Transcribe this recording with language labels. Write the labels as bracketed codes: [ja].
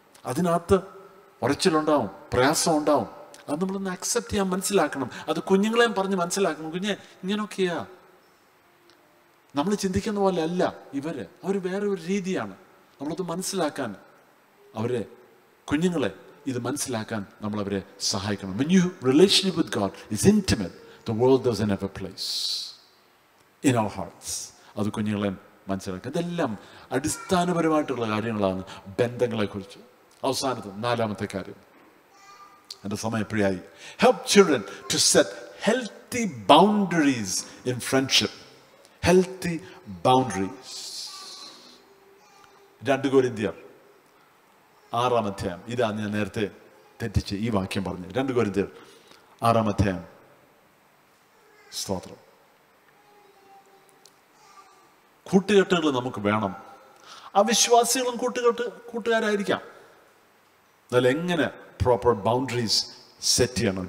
[ml] അതിനകത്ത് ഉറച്ചിലുണ്ടാവും, പ്രയാസം ഉണ്ടാവും. അത് നമ്മളൊന്ന് അക്സെപ്റ്റ് ചെയ്യാൻ മനസ്സിലാക്കണം. അത് കുഞ്ഞുങ്ങളെയും പറഞ്ഞ് മനസ്സിലാക്കണം, കുഞ്ഞെ ഇങ്ങനെയൊക്കെയാ, നമ്മൾ ചിന്തിക്കുന്ന പോലെ അല്ല ഇവര്, അവർ വേറെ ഒരു രീതിയാണ്. നമ്മളത് മനസ്സിലാക്കാൻ അവരെ, കുഞ്ഞുങ്ങളെ ഇത് മനസ്സിലാക്കാൻ നമ്മൾ അവരെ സഹായിക്കണം. [en] When you relationship with God is intimate, the world doesn't have a place in our hearts. [ml] അത് കുഞ്ഞുങ്ങളെ മനസ്സിലാക്കുക. ഇതെല്ലാം അടിസ്ഥാനപരമായിട്ടുള്ള കാര്യങ്ങളാണ് ബന്ധങ്ങളെക്കുറിച്ച്. അവസാനത്തെ നാലാമത്തെ കാര്യം, എൻ്റെ സമയം എപ്പോഴായി. [en] Help children to set healthy boundaries in friendship. Healthy boundaries. [ml] രണ്ട് കൊരിന്ത്യർ 6-ാം അധ്യായം, ഇതാണ് ഞാൻ നേരത്തെ തെറ്റിച്ച് ഈ വാക്യം പറഞ്ഞത്. 2 കൊരിന്ത്യർ 6-ാം അധ്യായം, സ്തോത്രം. കൂട്ടുകെട്ടുകൾ നമുക്ക് വേണം. അവിശ്വാസികളും കൂട്ടുകാരായിരിക്കാം, എന്നാലും എങ്ങനെ [en] proper boundaries set [ml] ചെയ്യണം.